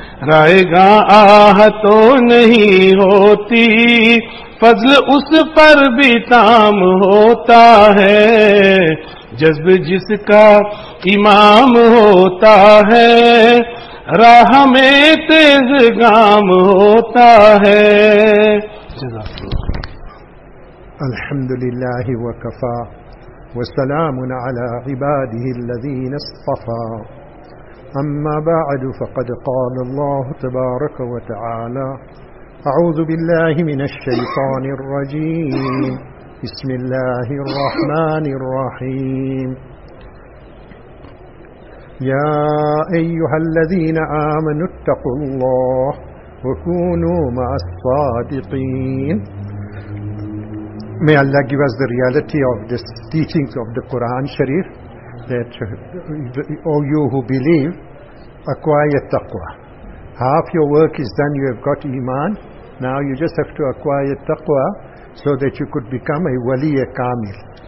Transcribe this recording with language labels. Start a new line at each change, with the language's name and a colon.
Urdu: رائے گا آہ تو نہیں ہوتی، فضل اس پر بھی تام ہوتا ہے، جذب جس کا امام ہوتا ہے، راہ میں تیز گام ہوتا ہے.
Arabic: الحمد للہ وکفا وسلام على عباده الذين اصطفى، أما بعد فقد قال الله تبارك وتعالى، أعوذ بالله من الشيطان الرجيم، بسم الله الرحمن الرحيم. يا أيها الذين آمنوا اتقوا الله وكونوا مع الصادقين.
English: May Allah give us the reality of the teachings of the Quran Sharif, that all you who believe acquire taqwa. Half your work is done, you have got iman. Now you just have to acquire taqwa so that you could become a wali, a kamil.